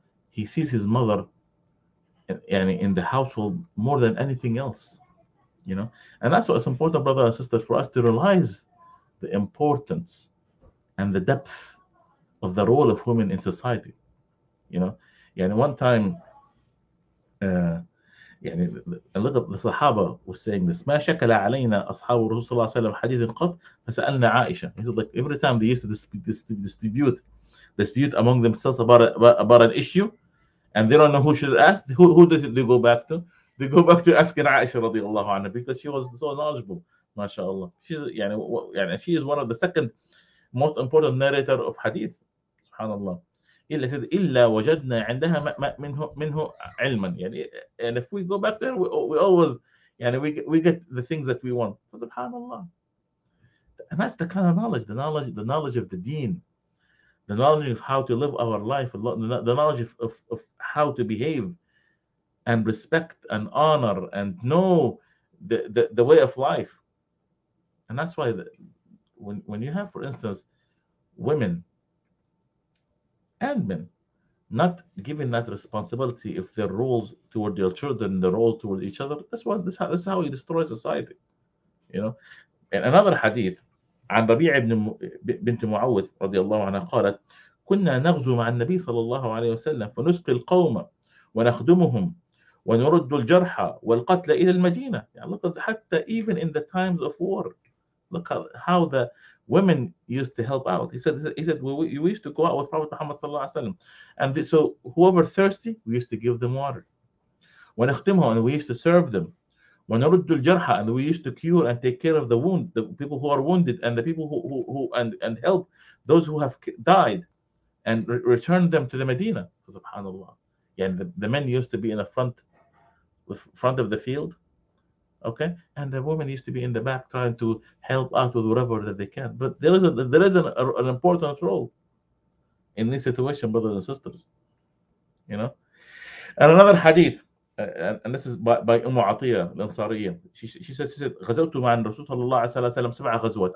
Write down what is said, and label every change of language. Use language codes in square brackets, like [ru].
[en] He sees his mother in the household more than anything else, you know. And that's why it's important, brother and sister, for us to realize the importance and the depth of the role of women in society, you know. Yeah, and one time, يعني الصحابة were saying this. [ar] ما شكل علينا أصحاب الرسول صلى الله عليه وسلم حديث قط فسألنا عائشة. [en] He said like every time they used to dispute among themselves about an issue and they don't know who should ask, who do they go back to? They go back to asking عائشة رضي الله عنها because she was so knowledgeable. [ar] ما شاء الله. [en] يعني she is one of the second most important narrator of hadith. [ar] سبحان الله. إلا وجدنا عندها منه علما. [en] يعني and if we go back there we always يعني we get the things that we want. [ar] سبحان الله. [en] And that's the kind of knowledge, the knowledge of the deen, the knowledge of how to live our life, the knowledge of how to behave and respect and honor and know the way of life. And that's why when you have, for instance, women and men not given that responsibility of their roles toward their children, the roles toward each other, that's how you destroy society, you know. In another hadith, [ar] عن ربيع بنت معوث رضي الله عنها قالت كنا نغزو مع النبي صلى الله عليه وسلم فنسقي القوم ونخدمهم ونرد الجرحى والقتل إلى المدينة. يعني لقد حتى [en] even in the times of war, look how the women used to help out. He said we used to go out with Prophet Muhammad صلى الله عليه وسلم and so whoever thirsty we used to give them water ونخدمهم and we used to serve them [ar] ونرد الجرحى [en] and we used to cure and take care of the wound, the people who are wounded and the people who and help those who have died and return them to the Medina. Subhanallah. And the men used to be in the front of the field, okay, and the women used to be in the back trying to help out with whatever that they can. But there is an important role in this situation, brothers and sisters, you know. And another hadith, and this is by Umm Atiyah al-Ansariyah. She said, [ar] غزوت مع الرسول صلى الله عليه وسلم سبع غزوات.